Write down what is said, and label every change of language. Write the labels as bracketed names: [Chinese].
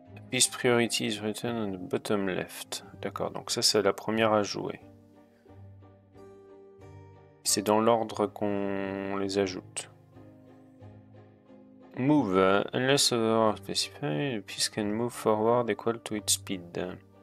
[English] Piece priority is written on the bottom left. [French] D'accord, donc ça c'est la première à jouer. C'est dans l'ordre qu'on les ajoute. [English] Move. Unless other specified, the piece can move forward equal to its speed.